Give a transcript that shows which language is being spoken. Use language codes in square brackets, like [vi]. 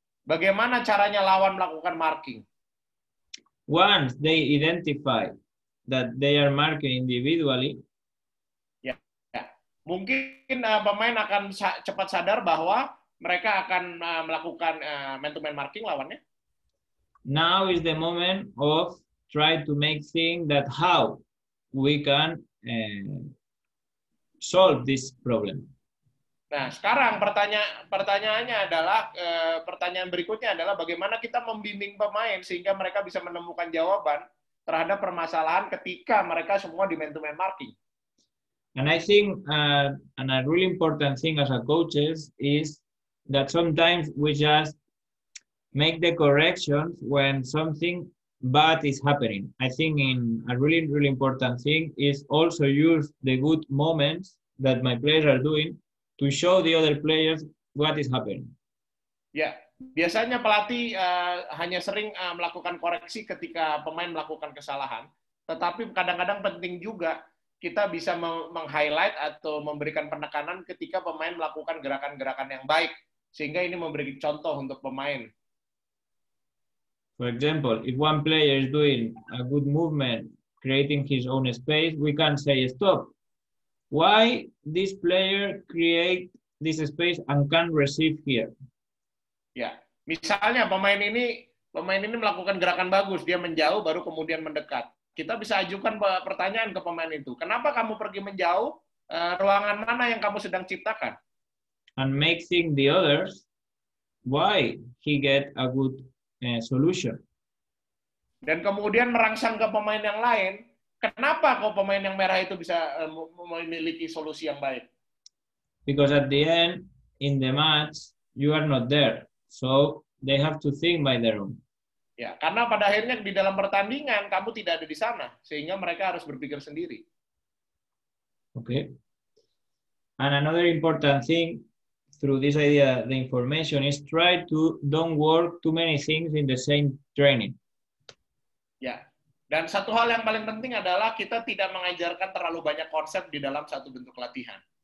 [id] Bagaimana caranya lawan melakukan marking? [en] Once they identify that they are marking individually, ya, ya. [id] Mungkin pemain akan cepat sadar bahwa mereka akan melakukan man-to-man marking lawannya. [en] Now is the moment of try to make things that how we can solve this problem. [id] Nah, sekarang pertanyaannya adalah pertanyaan berikutnya adalah bagaimana kita membimbing pemain sehingga mereka bisa menemukan jawaban terhadap permasalahan ketika mereka semua di man-to-man marking. [en] And I think and a really important thing as a coaches is that sometimes we just make the corrections when something bad is happening. I think in a really really important thing is also use the good moments that my players are doing to show the other players what is happening. [id] Ya, biasanya pelatih hanya sering melakukan koreksi ketika pemain melakukan kesalahan, tetapi kadang-kadang penting juga kita bisa meng-highlight atau memberikan penekanan ketika pemain melakukan gerakan-gerakan yang baik, sehingga ini memberi contoh untuk pemain. [en] For example, if one player is doing a good movement, creating his own space, we can say stop. Why this player create this space and can't receive here? [id] Ya, misalnya pemain ini melakukan gerakan bagus, dia menjauh baru kemudian mendekat. Kita bisa ajukan pertanyaan ke pemain itu. Kenapa kamu pergi menjauh? Ruangan mana yang kamu sedang ciptakan? [en] And making the others why he get a good solution. [id] Dan kemudian merangsang ke pemain yang lain. Kenapa kok pemain yang merah itu bisa memiliki solusi yang baik? [en] Because at the end, in the match, you are not there. So they have to think by their own. [id] Ya, karena pada akhirnya di dalam pertandingan, kamu tidak ada di sana. Sehingga mereka harus berpikir sendiri. Okay. [en] And another important thing through this idea, the information is try to don't work too many things in the same training. Yeah. [id] Dan satu hal yang paling penting adalah kita tidak mengajarkan terlalu banyak konsep di dalam satu bentuk latihan.